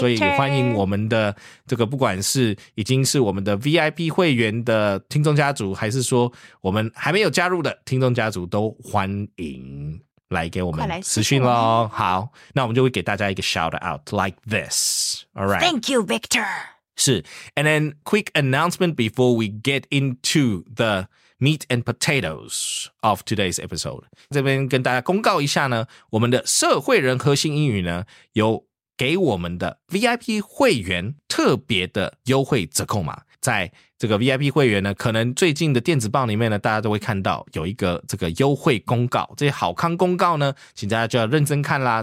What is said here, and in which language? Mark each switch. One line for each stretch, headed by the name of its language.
Chinese: 所以也欢迎我们的这个不管是已经是我们的 VIP 会员的听众家族，还是说我们还没有加入的听众家族，都欢迎来给我们私讯咯。好，那我们就会给大家一个 shout out like this.
English: All right, thank you, Victor. 是 And then quick announcement before we get into the meat and potatoes of today's episode.
Chinese: 这边跟大家公告一下呢，我们的社会人核心英语呢，有给我们的 VIP 会员特别的优惠折扣码。在这个 VIP 会员呢，可能最近的电子报里面呢，大家都会看到有一个这个优惠公告，这些好康公告呢，请大家就要认真看啦。